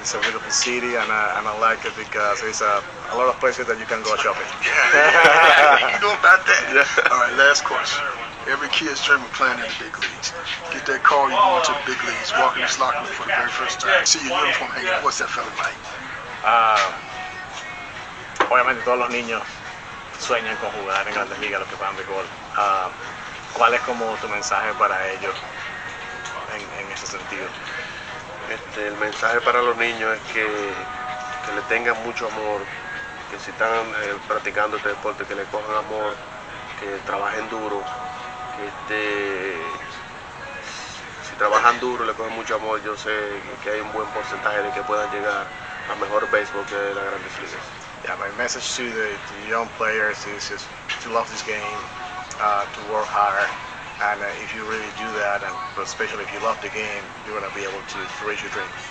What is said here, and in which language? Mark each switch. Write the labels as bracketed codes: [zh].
[en] It's a beautiful city, and I like it because there's a lot of places that you can go shopping. Yeah, you know about that. Yeah. All right, last question. Every kid is dreaming of playing in the big leagues. Get that call, you're going to the big leagues, walking this locker room for the very first time. See your uniform hanging. What's that feeling like? [es] Obviamente todos los niños sueñan con jugar en Grandes Ligas, los que juegan béisbol. ¿Cuál es como tu mensaje para ellos en ese sentido? El mensaje para los niños es que le tengan mucho amor, que si están practicando este deporte, que le cojan amor, que trabajen duro. Si trabajan duro, le cogen mucho amor, yo sé que hay un buen porcentaje de que puedan llegar a mejor béisbol que la Grandes Ligas. [en] Yeah, my message to the young players is just to love this game, to work hard, and if you really do that, and especially if you love the game, you're going to be able to reach your dream.